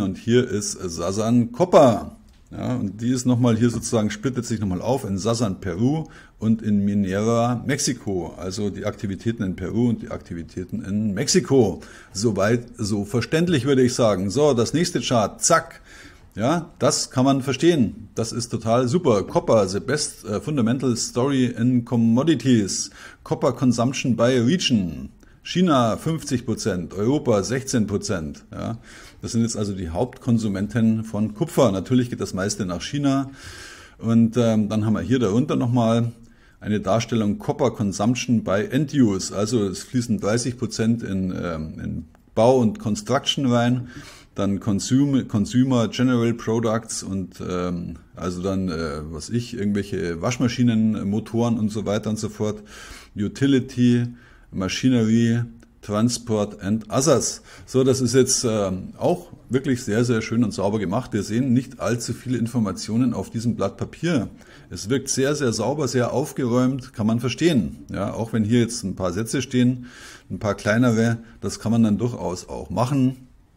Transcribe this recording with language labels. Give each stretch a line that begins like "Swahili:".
German: Und hier ist Sazan Copper. Ja, und die ist nochmal hier sozusagen, splittet sich nochmal auf in Sazan Peru und in Minera Mexiko. Also die Aktivitäten in Peru und die Aktivitäten in Mexiko. Soweit so verständlich, würde ich sagen. So, das nächste Chart, zack. Ja, das kann man verstehen. Das ist total super.
English: Copper, the best fundamental story in commodities. Copper consumption by region.
German: China 50%, Europa 16%. Ja. Das sind jetzt also die Hauptkonsumenten von Kupfer. Natürlich geht das meiste nach China. Und dann haben wir hier darunter nochmal eine Darstellung
English: Copper Consumption by End Use.
German: Also es fließen 30% in Bau und Construction rein. Dann Consumer General Products und also dann, was ich, irgendwelche Waschmaschinen, Motoren und so weiter und so fort.
English: Utility, Machinery, Transport and Others.
German: So, das ist jetzt auch wirklich sehr, sehr schön und sauber gemacht. Wir sehen nicht allzu viele Informationen auf diesem Blatt Papier. Es wirkt sehr, sehr sauber, sehr aufgeräumt, kann man verstehen. Ja, auch wenn hier jetzt ein paar Sätze stehen, ein paar kleinere, das kann man dann durchaus auch machen.